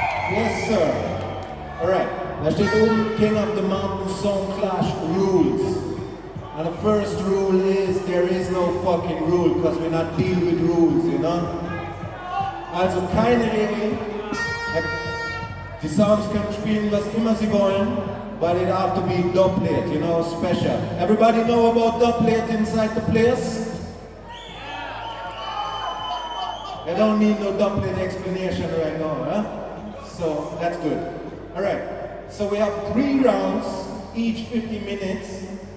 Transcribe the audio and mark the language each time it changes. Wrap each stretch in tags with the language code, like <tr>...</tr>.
<en>Yes, sir. Alright,</en> <de>da steht oben</de> <en>King of the Mountain Soundclash Rules. And the first rule is, there is no fucking rule, because we're not dealing with rules, you know?</en> <de>Also keine Regeln. Die Sounds können spielen, was immer sie wollen.</de> <en>But it have to be doppelt, you know, special. Everybody know about doppelt inside the place? Yeah. I don't need no doppelt explanation right now, huh? So, that's good. All right, so we have three rounds, each 50 minutes.</en>